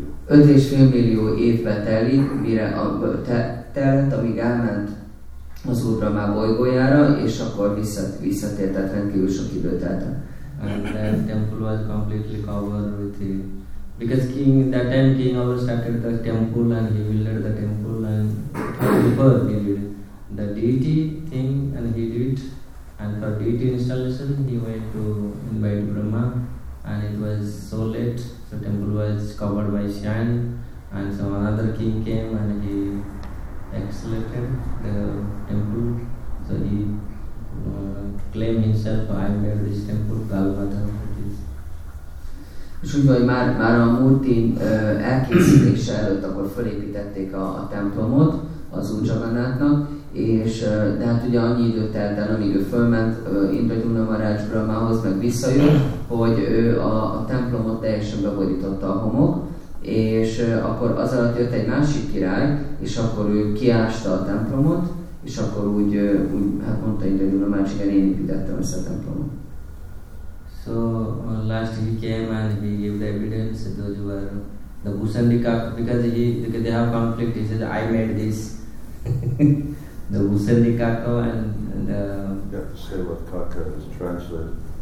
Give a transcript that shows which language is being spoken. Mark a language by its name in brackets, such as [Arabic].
[Hungarian] 5,5 millió évbe telik, mire telt, amíg elment az Úr Brahmá bolygójára, és akkor visszatért, tehát rendkívül sok idő telt. [English] And then temple was completely covered with him. Because king, that time king overstated the temple and he builded the temple and super needed the deity thing and he did it. And for deity installation he went to invite Brahma and it was so late. So temple was covered by shine and some another king came and he excavated the temple. So he claim himself, I made this temple, Galvatha, it is. [Hungarian] És úgy, hogy már a Murti elkészítése előtt akkor felépítették a templomot az Úr Jagannáthnak, és de hát ugye annyi idő telt el, amíg ő fölment Indradyumna Maharaj Brahmához, meg visszajött, hogy ő a templomot teljesen beborította a homok, és akkor az alatt jött egy másik király, és akkor ő kiásta a templomot, és akkor úgy hát mondta Indradyumna Maharaj, igen, én építettem össze a templomot. [English] So, last he came and he gave the evidence, those who are the Bhusandika, because they have conflict, he said, I made this. The Bhusandika and the... You have to say what Kaka is translated.